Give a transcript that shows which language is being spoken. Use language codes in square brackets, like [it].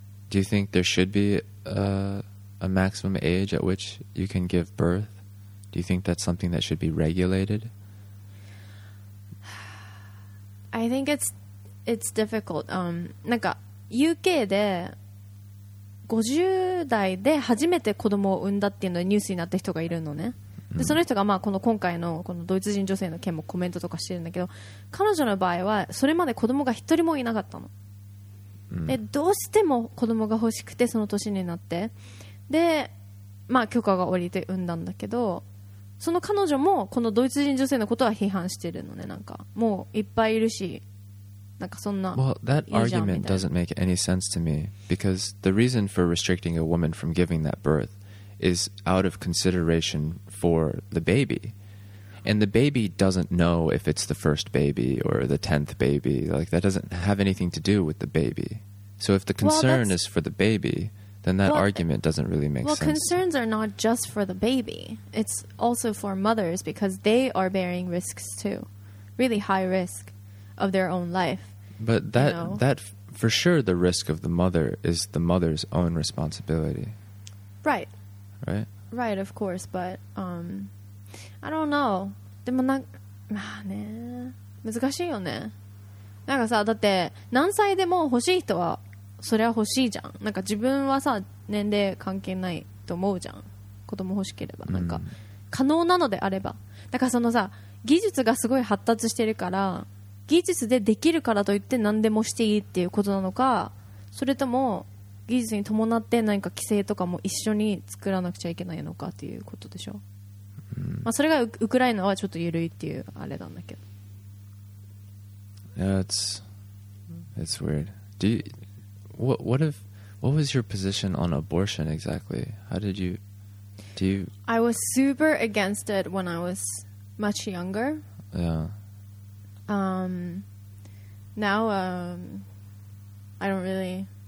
[en] Do you think there should be a maximum age at which you can give birth? Do you think that's something that should be regulated? I think it's difficult. [ja] なんか UK で50代で初めて子供を産んだっていうのでニュースになった人がいるのね。でその人がまあこの今回 このドイツ人女性の件もコメントとかしてるんだけど彼女の場合はそれまで子供が一人もいなかったの、うん、でどうしても子供が欲しくてその年になってで、まあ、許可が下りて産んだんだけどその彼女もこのドイツ人女性のことは批判してるのねなんかもういっぱいいるしなんかそんな [en] Well, that argument doesn't make any sense to me because the reason for restricting a woman from giving that birth is out of considerationfor the baby and the baby doesn't know if it's the first baby or the 10th baby like that doesn't have anything to do with the baby so if the concern well, is for the baby then that well, argument doesn't really make well, sense well concerns are not just for the baby it's also for mothers because they are bearing risks too really high risk of their own life but that you know? that for sure the risk of the mother is the mother's own responsibility right Right, of course, but I don't know. [ja] でもなまあね難しいよね。なんかさだって何歳でも欲しい人はそれは欲しいじゃん。なんか自分はさ年齢関係ないと思うじゃん。子供欲しければなんか可能なのであれば。だからそのさ技術がすごい発達してるから技術でできるからといって何でもしていいっていうことなのか、それとも技術に伴って何か規制とかも一緒に作らなくちゃいけないのかっていうことでしょ、うん、まあそれがウクライナはちょっと緩いっていうあれなんだけど [en] Yeah, it's weird. Do you, what was your position on abortion exactly? How did you, do you... I was super against it when I was much younger. Yeah. Now, I don't really...